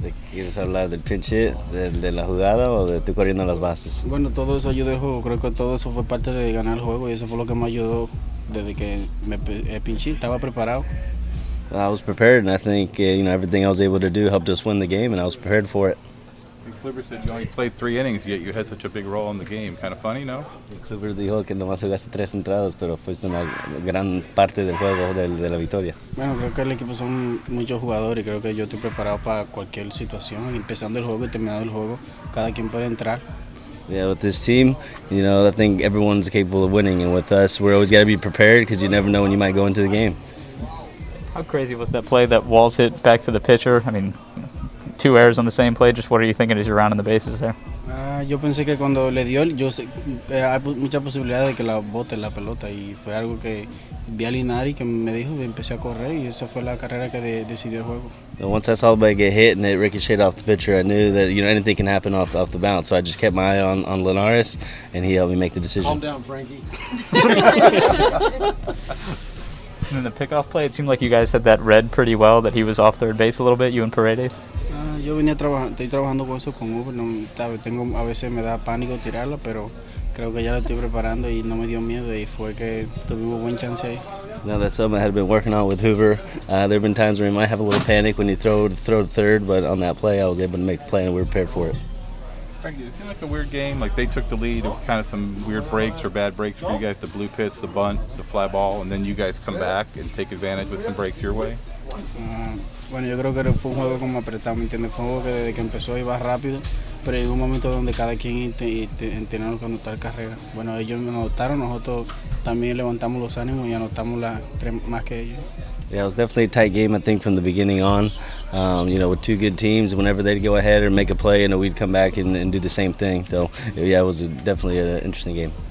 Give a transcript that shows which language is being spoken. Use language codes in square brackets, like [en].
[es] ¿Quieres hablar del pinch hit, de la jugada o de tú corriendo las bases? Bueno, todo eso ayudó el juego. Creo que todo eso fue parte de ganar el juego y eso fue lo que me ayudó desde que me pinché. Estaba preparado. [en] I was prepared, and I think you know everything I was able to do helped us win the game, and I was prepared for it. And Kluber said you only played 3 innings, yet you had such a big role in the game. Kind of funny, no? [es] Kluber dijo que nomás jugaste 3 entradas, pero fuiste una gran parte del juego de la victoria. Bueno, creo que el equipo son muchos jugadores, y creo que yo estoy preparado para cualquier situación, empezando el juego y terminando el juego. Cada quien puede entrar. [en] Yeah, with this team, you know, I think everyone's capable of winning, and with us, we're always got to be prepared because you never know when you might go into the game. How crazy was that play that Walls hit back to the pitcher? I mean, 2 errors on the same play. Just what are you thinking as you're rounding the bases there? [es] Yo pensé que cuando le dio, yo sé, hay mucha posibilidad de que la bote la pelota y fue algo que vi a Linari que me dijo, me empecé a correr y esa fue la carrera que decidió el juego. [en] Once I saw the ball get hit and it ricocheted off the pitcher, I knew that you know anything can happen off the bounce. So I just kept my eye on Linares and he helped me make the decision. Calm down, Frankie. And in the pickoff play, it seemed like you guys had that read pretty well, that he was off third base a little bit, you and Paredes. [es] Yo venía trabajando, estoy trabajando con eso con Uber, no, tengo, a veces me da pánico tirarlo, pero creo que ya lo estoy preparando y no me dio miedo y fue que tuvimos buen chance ahí. [en] No, that's something I had been working on with Hoover. There have been times where he might have a little panic when he throw to third, but on that play I was able to make the play and we were prepared for it. Frankie, it seemed like a weird game, like they took the lead, it was kind of some weird breaks or bad breaks for you guys, the blue pits, the bunt, the fly ball, and then you guys come back and take advantage with some breaks your way? [es] Bueno, yo creo que fue un juego como apretado, ¿me entiendes? Fue un juego que desde que empezó iba rápido, pero llegó un momento donde cada quien entendió cuando está la carrera. Bueno, ellos me anotaron, nosotros también levantamos los ánimos y anotamos la 3 más que ellos. [en] Yeah, it was definitely a tight game, I think, from the beginning on. You know, with 2 good teams, whenever they'd go ahead or make a play, you know, we'd come back and do the same thing. So, yeah, it was definitely an interesting game.